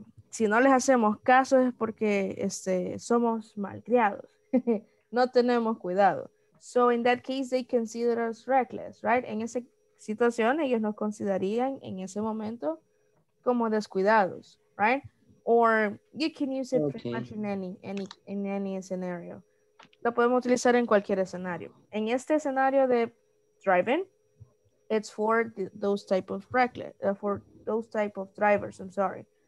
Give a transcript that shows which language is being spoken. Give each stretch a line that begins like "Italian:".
Spanish: Si no les hacemos caso es porque somos malcriados, no tenemos cuidado.
English: So in that case, they consider us reckless, right?
Spanish: En esa situación, ellos nos considerarían en ese momento como descuidados, right?
English: Or you can use it pretty much in any scenario.
Spanish: Lo podemos utilizar en cualquier escenario. En este escenario de driving,
English: it's for those type of reckless, for those type of drivers, I'm sorry.